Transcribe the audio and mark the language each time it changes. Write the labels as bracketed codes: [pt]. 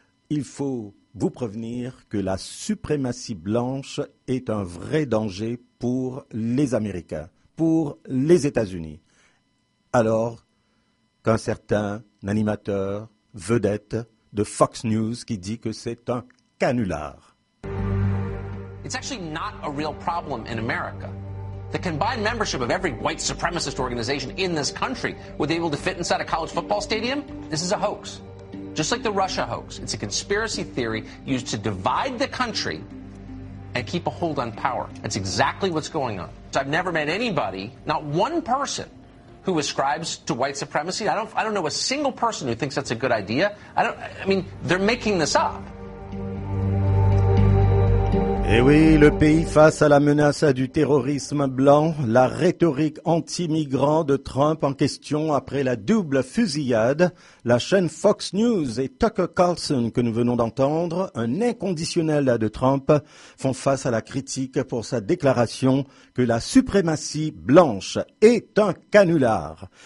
[fr] Il faut vous prévenir que la suprématie blanche est un vrai danger pour les Américains, pour les États-Unis. Alors qu'un certain animateur vedette de Fox News qui dit que c'est un canular. [en] It's actually not a real problem in America. The combined membership of every white supremacist organization in this country would be able to fit inside a college football stadium? This is a hoax. Just like the Russia hoax, it's a conspiracy theory used to divide the country and keep a hold on power. That's exactly what's going on. So I've never met anybody, not one person, who ascribes to white supremacy. I don't know a single person who thinks that's a good idea. I mean, they're making this up. [fr] Eh oui, le pays face à la menace du terrorisme blanc, la rhétorique anti-migrant de Trump en question après la double fusillade, la chaîne Fox News et Tucker Carlson que nous venons d'entendre, un inconditionnel de Trump, font face à la critique pour sa déclaration que la suprématie blanche est un canular.